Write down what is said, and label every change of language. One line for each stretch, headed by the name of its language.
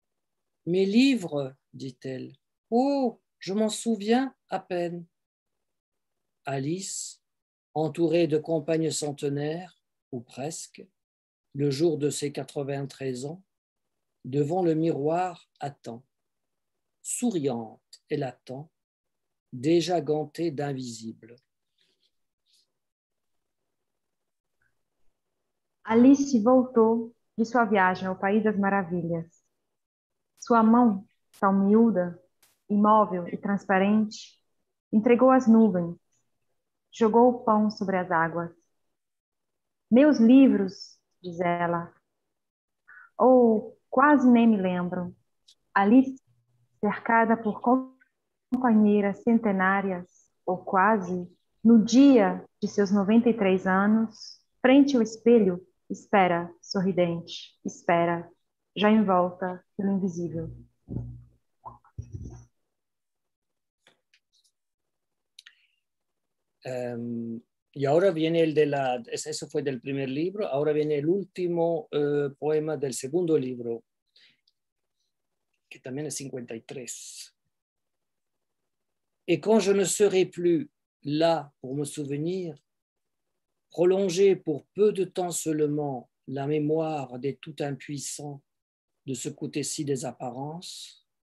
French: « Mes livres, » dit-elle, « oh, je m'en souviens à peine. » Alice, entourée de compagnes centenaires, ou presque, le jour de ses 93 ans, devant le miroir attend. Souriante, elle attend, déjà gantée d'invisible.
Portuguese: Alice voltou de sua viagem ao País das Maravilhas. Sua mão, tão miúda, imóvel e transparente, entregou as nuvens, jogou o pão sobre as águas. Meus livros, diz ela. Ou, quase nem me lembro, Alice, cercada por companheiras centenárias, ou quase, no dia de seus 93 anos, frente ao espelho, espera, sorridente, espera,
Spanish: ya envolta
Portuguese: pelo invisível.
Spanish: Y ahora viene el de la. Eso fue del primer libro. Ahora viene el último poema del segundo libro. que también es 53.
French: Et quand je ne serai plus là pour me souvenir, prolonger pour peu de temps seulement la mémoire des tout impuissants de ce côté-ci des apparences,